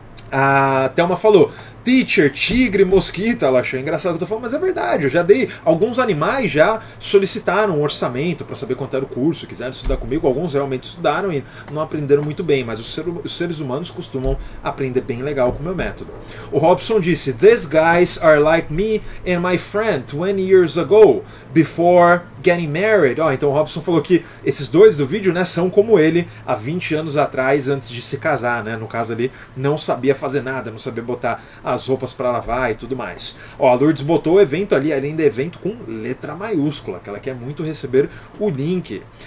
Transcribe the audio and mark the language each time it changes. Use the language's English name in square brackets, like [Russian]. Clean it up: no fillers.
[Portuguese] A Thelma falou, teacher, tigre, mosquito, ela achou engraçado o que eu tô falando, mas é verdade, eu já dei, alguns animais já solicitaram um orçamento para saber quanto era o curso, quiseram estudar comigo, alguns realmente estudaram e não aprenderam muito bem, mas os seres humanos costumam aprender bem legal com o meu método. O Robson disse, [English] these guys are like me and my friend 20 years ago, before getting married. [Portuguese] Oh, então o Robson falou que esses dois do vídeo, né, são como ele há 20 anos atrás, antes de se casar, né, no caso ali, não sabia fazer nada, não sabia botar as roupas para lavar e tudo mais. Ó, a Lourdes botou o evento ali, ainda é evento com letra maiúscula, que ela quer muito receber o link.